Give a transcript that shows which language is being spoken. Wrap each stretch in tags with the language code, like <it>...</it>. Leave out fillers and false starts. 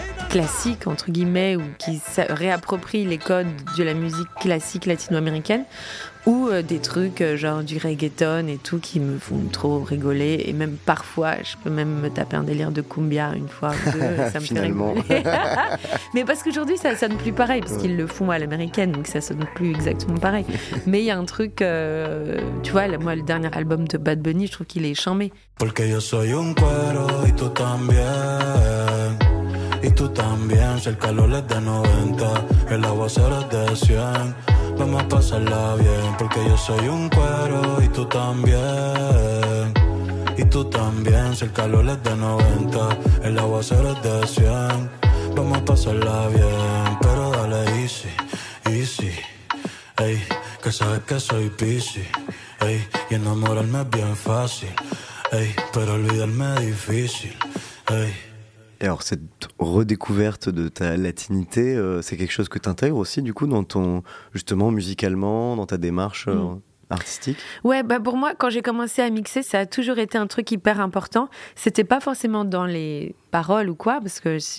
<fr>classique entre guillemets, ou qui réapproprie les codes de la musique classique latino-américaine, ou des trucs genre du reggaeton et tout qui me font trop rigoler, et même parfois je peux même me taper un délire de cumbia une fois ou deux, ça me fait rigoler. Mais parce qu'aujourd'hui ça sonne plus pareil, parce qu'ils le font à l'américaine, donc ça sonne plus exactement pareil. Mais il y a un truc, tu vois, moi le dernier album de Bad Bunny, je trouve qu'il est chambé.</fr> <es>Porque yo soy un cuero y tú también.</es> <fr>Et tu</fr> <es>también, si el calor le da 90, el agua será de 100. Vamos a pasarla bien, porque yo soy un cuero y tú también. Y tú también, si el calor le da 90, el agua será de 100. Vamos a pasarla bien, pero dale</es> <en>easy, easy.</en> <es>Ey, que sabes que soy pisi. Ey, y enamorarme es bien fácil. Ey, pero olvidarme es difícil. Ey.</es> <fr>Et alors, cette redécouverte de ta latinité, c'est quelque chose que tu intègres aussi, du coup, dans ton, justement, musicalement, dans ta démarche artistique ? Ouais, bah pour moi, quand j'ai commencé à mixer, ça a toujours été un truc hyper important. C'était pas forcément dans les paroles ou quoi, parce que</fr>